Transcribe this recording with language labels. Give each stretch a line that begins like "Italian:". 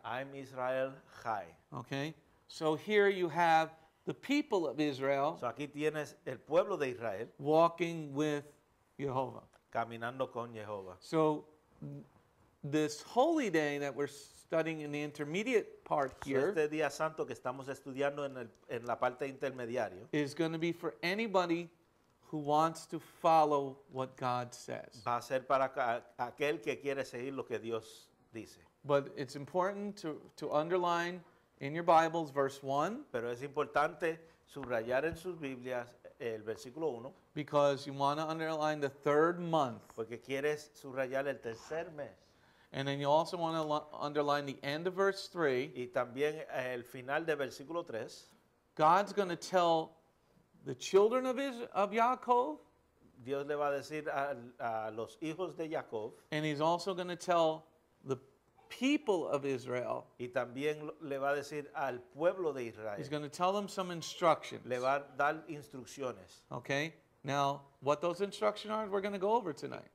Hebrew: Am Israel Chai.
English: Okay. So here you have the people of Israel.
Spanish: So aquí tienes el pueblo de Israel.
English: Walking with Jehovah.
Spanish: Caminando con Jehovah.
English: So, this holy day that we're studying in the intermediate part here,
Spanish: este día santo que estamos estudiando en la parte intermediario,
English: is going to be for anybody who wants to follow what God says.
Spanish: Va a ser para aquel que quiere seguir lo que Dios dice.
English: But it's important to underline in your Bibles verse 1.
Spanish: Pero es importante subrayar en sus Biblias el versículo 1.
English: Because you want to underline the third month.
Spanish: Porque quieres subrayar el tercer mes.
English: And then you also want to underline the end of verse 3.
Spanish: Y también el final de versículo 3.
English: God's going to tell the children of Jacob.
Spanish: Dios le va a decir a los hijos de Jacob.
English: And he's also going to tell the people of Israel.
Spanish: Y también le va a decir al pueblo de Israel.
English: He's going to tell them some instructions.
Spanish: Le va a dar instrucciones.
English: Okay. Now, what those instructions are, we're going to go over tonight.